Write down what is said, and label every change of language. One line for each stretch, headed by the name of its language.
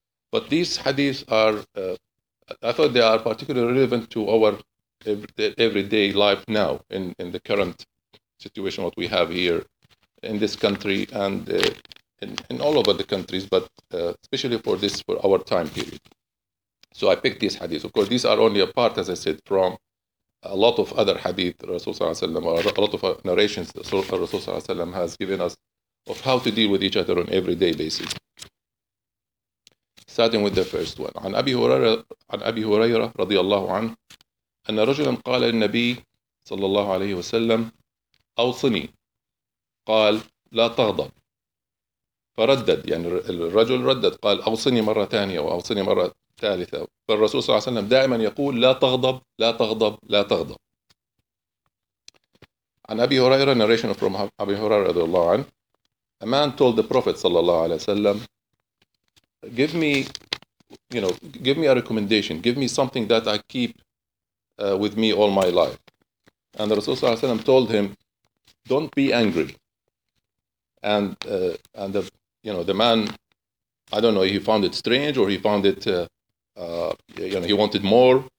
English: But these hadiths are, I thought they are particularly relevant to our everyday life now in the current situation what we have here in this country and in all over the countries, but especially for our time period. So I picked these hadiths. Of course, these are only a part, as I said, from a lot of other hadith Rasulullah ﷺ, or a lot of narrations that Rasulullah ﷺ has given us of how to deal with each other on an everyday basis. Starting with the first one.
Arabic: عن أبي هريرة رضي الله عنه أن رجلا قال للنبي صلى الله عليه وسلم أوصني قال لا تغضب فردد يعني الرجل ردد قال أوصني مرة ثانية وأوصني مرة ثالثة فالرسول صلى الله عليه وسلم دائما يقول لا تغضب لا تغضب لا تغضب. عن أبي هريرة
English: narration from
Arabic: أبي هريرة رضي الله عنه.
English: A man told the Prophet صلى الله عليه وسلم give me give me a recommendation, give me something that I keep with me all my life. And the Rasul صلى الله عليه وسلم told him don't be angry. And the man, I don't know, he found it strange or he found it he wanted more.